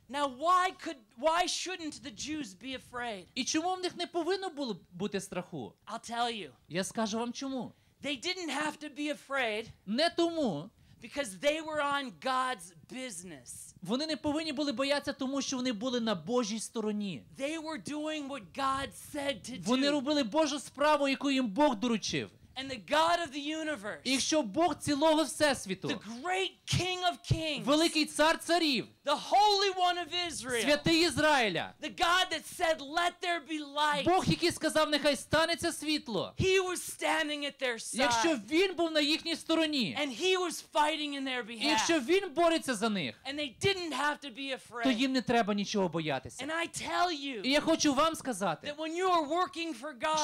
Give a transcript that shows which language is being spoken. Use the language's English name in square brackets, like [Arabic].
[English] Now why shouldn't the Jews be afraid? [Ukrainian] І чому в них не повинно було бути страху? [English] I'll tell you. [Ukrainian] Я скажу вам чому. [English] They didn't have to be afraid. [Ukrainian] Не тому. [English] Because they were on God's business. [Ukrainian] Вони не повинні були боятися, тому що вони були на Божій стороні. [English] They were doing what God said to do. [Ukrainian] Вони робили Божу справу, яку їм Бог доручив. [English] And the God of the universe. [Ukrainian] І що Бог цілого Всесвіту. [English] The great King of Kings. [Ukrainian] Великий цар царів. [English] The Holy One of Israel. [Ukrainian] Святий Ізраїля. [English] The God that said, "Let there be light." [Ukrainian] Бог, який сказав, нехай станеться світло. [English] He was standing at their side. [Ukrainian] Якщо він був на їхній стороні. [English] And he was fighting in their behalf. [Ukrainian] Якщо він бореться за них. [English] And they didn't have to be afraid. [Ukrainian] То їм не треба нічого боятися. [English] And I tell you. [Ukrainian] І я хочу вам сказати. [English] That when you are working for God.